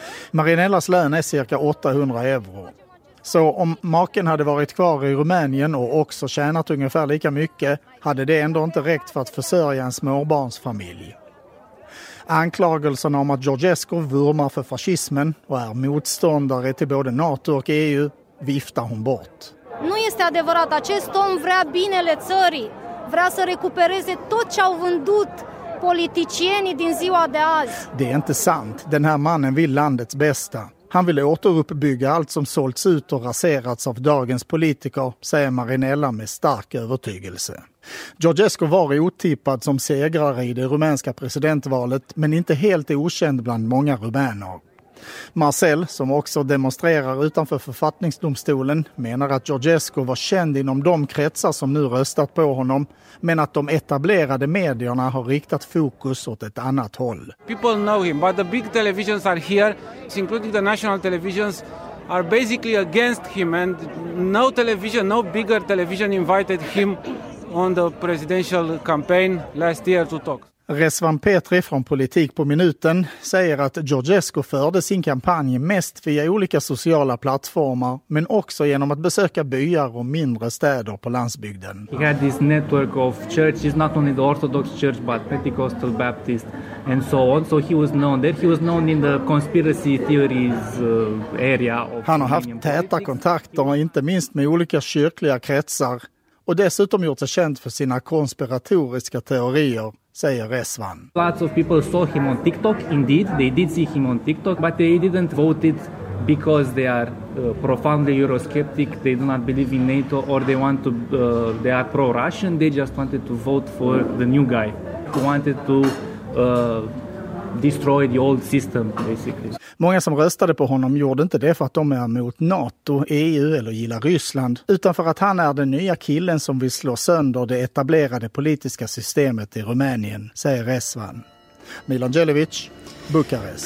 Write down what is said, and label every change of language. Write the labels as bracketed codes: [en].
[sv] Marinellas lön är cirka 800 euro. Så om maken hade varit kvar i Rumänien och också tjänat ungefär lika mycket hade det ändå inte räckt för att försörja en småbarnsfamilj. Anklagelserna om att Georgescu vurmar för fascismen och är motståndare till både NATO och EU viftar hon bort. [ro] Nu este adevărat, acest om vrea binele țării, vrea să recupereze tot ce au vândut politicienii din ziua de azi. [sv] Det är inte sant. Den här mannen vill landets bästa. Han vill återuppbygga allt som sålts ut och raserats av dagens politiker, säger Marinella med stark övertygelse. Georgescu var otippad som segrare i det rumänska presidentvalet, men inte helt okänd bland många rumäner. Marcel, som också demonstrerar utanför författningsdomstolen, menar att Georgescu var känd inom de kretsar som nu röstat på honom, men att de etablerade medierna har riktat fokus åt ett annat håll. [en] People know him, but the big televisions are here, including the national televisions, are basically against him, and no television, no bigger television invited him on the presidential campaign last year to talk. [sv] Resvan Petri från Politik på minuten säger att Georgescu förde sin kampanj mest via olika sociala plattformar, men också genom att besöka byar och mindre städer på landsbygden. [en] He had this network of churches, not only the Orthodox Church but Pentecostal, Baptist and so on. So he was known there. He was known in the conspiracy theories area of. [sv] Han har haft täta kontakter, inte minst med olika kyrkliga kretsar, och dessutom gjort sig känd för sina konspiratoriska teorier, säger Resvan. [en] Lots of people saw him on TikTok, indeed, they did see him on TikTok, but they didn't vote it because they are profoundly Eurosceptic, they do not believe in NATO, or they want to, they are pro-Russian, they just wanted to vote for the new guy, wanted to destroy the old system basically. [sv] Många som röstade på honom gjorde inte det för att de är emot NATO, EU eller gillar Ryssland, utan för att han är den nya killen som vill slå sönder det etablerade politiska systemet i Rumänien, säger Resvan. Milan Jelovic, Bukarest.